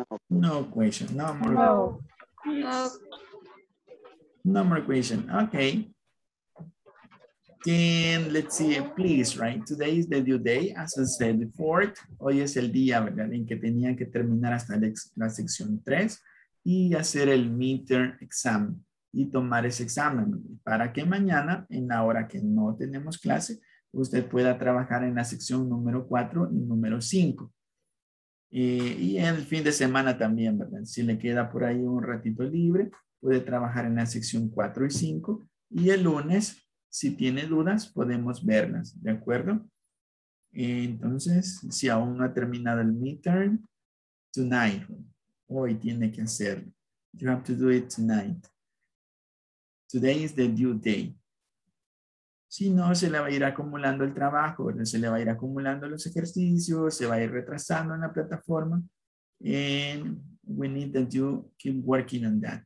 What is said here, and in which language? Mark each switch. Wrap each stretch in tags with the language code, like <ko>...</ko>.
<en>No question. No more. No. No more question. Okay. Then let's see, please, right? Today is the due day, as I said before.</en> <es>Hoy es el día, ¿verdad? En que tenía que terminar hasta la sección 3 y hacer el midterm exam y tomar ese examen para que mañana, en la hora que no tenemos clase, usted pueda trabajar en la sección número 4 y número 5. Y en el fin de semana también, ¿verdad? Si le queda por ahí un ratito libre, puede trabajar en la sección 4 y 5. Y el lunes, si tiene dudas, podemos verlas, ¿de acuerdo? Entonces, si aún no ha terminado el midterm, tonight, hoy tiene que hacerlo.</es> <en>You have to do it tonight. Today is the due day.</en> <es>Si no, se le va a ir acumulando el trabajo, ¿verdad? Se le va a ir acumulando los ejercicios, se va a ir retrasando en la plataforma.</es> <en>And we need that you keep working on that.</en>